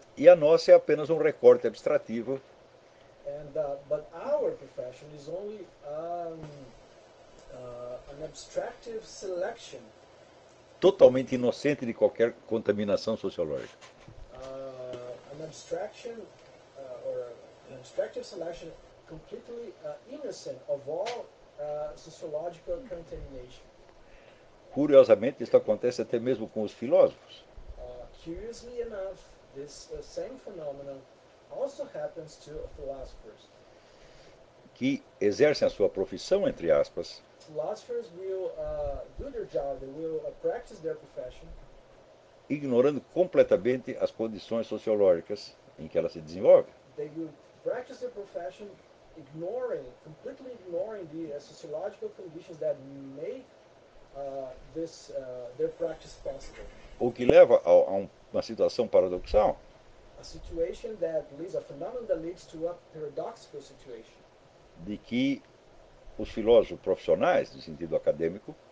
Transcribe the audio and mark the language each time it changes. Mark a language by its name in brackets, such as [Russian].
[Portuguese] E a nossa é apenas um recorte abstrativo. [English] But our profession is only an abstractive selection. [Portuguese] Totalmente inocente de qualquer contaminação sociológica. [English] An abstractive selection, completely innocent of all sociological contamination. [Portuguese] Curiosamente, isso acontece até mesmo com os filósofos. [English] Curiously enough, this same phenomenon also happens to philosophers. [Portuguese] Que exercem a sua profissão, entre aspas. [English] Philosophers will do their job, they will practice their profession. [Portuguese] Ignorando completamente as condições sociológicas em que ela se desenvolve. [English] Practice their profession, completely ignoring the sociological conditions that make their practice possible. [Portuguese] O que leva a uma situação paradoxal. [English] A phenomenon that leads to a paradoxical situation. [Portuguese] De que os filósofos profissionais, no sentido acadêmico.